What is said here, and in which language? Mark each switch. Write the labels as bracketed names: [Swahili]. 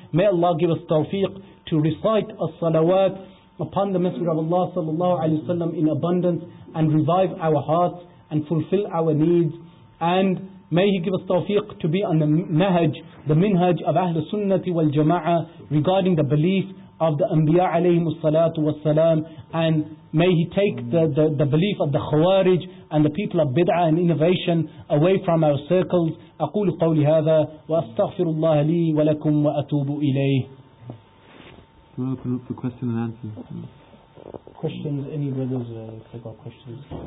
[English] May Allah give us tawfiq to recite as-salawat upon the Messenger of Allah sallallahu alayhi wa sallam in abundance, and revive our hearts and fulfill our needs, and may he give us tawfiq to be on the minhaj of Ahl Sunnati wal Jama'ah regarding the belief of the Anbiya alayhim salatu wa salam, and may he take the belief of the Khawarij and the people of Bid'ah and innovation away from our circles. [Arabic] أقول قولي هذا وأستغفر الله لي ولكم وأتوب إليه. [English] We'll open up for question and answer. Questions, any brothers, if they got questions.